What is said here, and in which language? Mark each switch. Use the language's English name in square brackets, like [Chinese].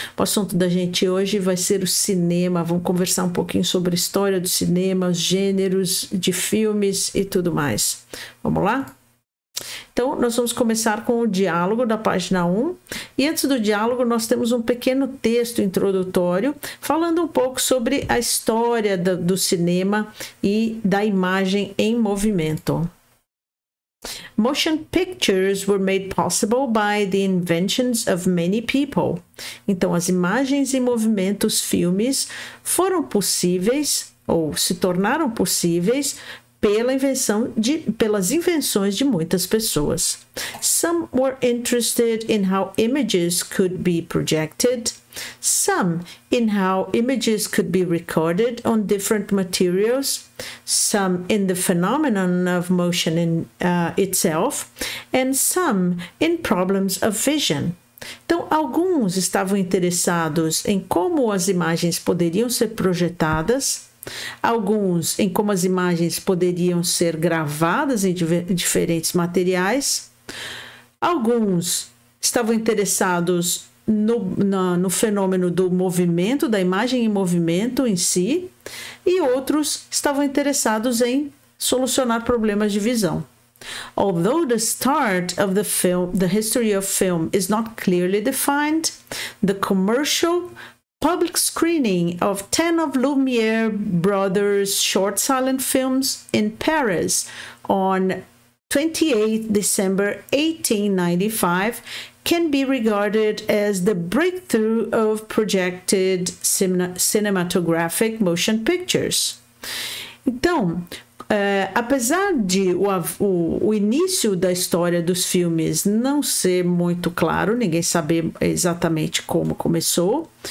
[Portuguese] O assunto da gente hoje vai ser o cinema. Vamos conversar um pouquinho sobre a história do cinema, os gêneros de filmes e tudo mais. Vamos lá? Então, nós vamos começar com o diálogo da página 1. E antes do diálogo, nós temos um pequeno texto introdutório falando um pouco sobre a história do cinema e da imagem em movimento. [English] Motion pictures were made possible by the inventions of many people. [Portuguese] Então, as imagens em movimento, os filmes, foram possíveis ou se tornaram possíveis pelas invenções de muitas pessoas. [English] Some were interested in how images could be projected, some in how images could be recorded on different materials, some in the phenomenon of motion in itself, and some in problems of vision. [Portuguese] Então, alguns estavam interessados em como as imagens poderiam ser projetadas. Alguns em como as imagens poderiam ser gravadas em diferentes materiais. Alguns estavam interessados no fenômeno do movimento, da imagem em movimento em si, e outros estavam interessados em solucionar problemas de visão. [English] Although the start of the film, the history of film is not clearly defined, the commercial public screening of 10 of Lumière brothers' short silent films in Paris on 28 December 1895 can be regarded as the breakthrough of projected cinematographic motion pictures. [Portuguese] Então, apesar de o início da história dos filmes não ser muito claro, ninguém saber exatamente como começou.